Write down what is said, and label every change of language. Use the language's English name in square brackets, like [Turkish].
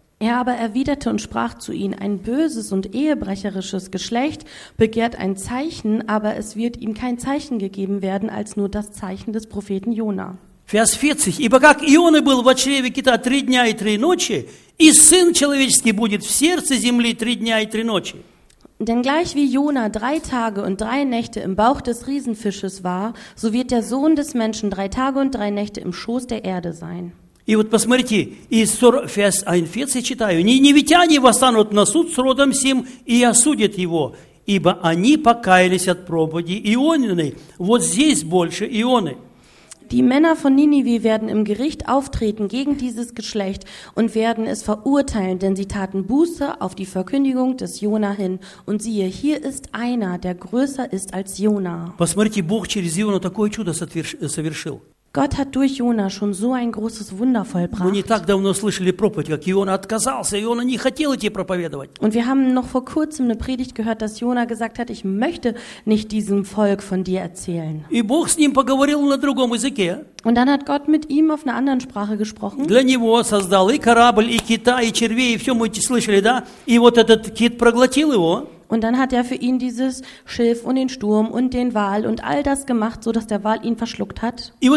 [German] Er aber erwiderte und sprach zu ihnen: «Ein böses und ehebrecherisches Geschlecht begehrt ein Zeichen, aber es wird ihm kein Zeichen gegeben werden, als nur das Zeichen des Propheten Jona». Vers 40. [Russian] «Ибо как Ионы был в чреве кита три дня и три ночи, и Сын человеческий будет в сердце земли три дня и три ночи». [German] Denn gleich wie Jona drei Tage und drei Nächte im Bauch des Riesenfisches war, so wird der Sohn des Menschen drei Tage und drei Nächte im Schoß der Erde sein. [Russian] И вот посмотрите, из 41 читаю: «Ниневитяне восстанут на суд с родом сим и осудят его, ибо они покаялись от проповеди Ионины». Вот здесь больше Ионы. [German] Die Männer von Ninive werden im Gericht auftreten gegen dieses Geschlecht und werden es verurteilen, denn sie taten Buße auf die Verkündigung des Jona hin. Und siehe, hier ist einer, der größer ist als Jona. [Russian] Посмотрите, Бог через Иону такое чудо совершил. [German] Gott hat durch Jona schon so ein großes Wunder vollbracht. [Russian] Мы не так давно слышали проповедь, как Иона отказался, и Иона не хотел идти проповедовать. [German] Und wir haben noch vor kurzem eine Predigt gehört, dass Jona gesagt hat: «Ich möchte nicht diesem Volk von dir erzählen». [Russian] И Бог с ним поговорил на другом языке. [German] Und dann hat Gott mit ihm auf einer anderen Sprache gesprochen. [Russian] Для него создал и корабль, и кита, и червей, и все, мы слышали, да? И вот этот кит проглотил его. [German] Und dann hat er für ihn dieses Schilf und den Sturm und den Wal und all das gemacht, sodass der Wal ihn verschluckt hat.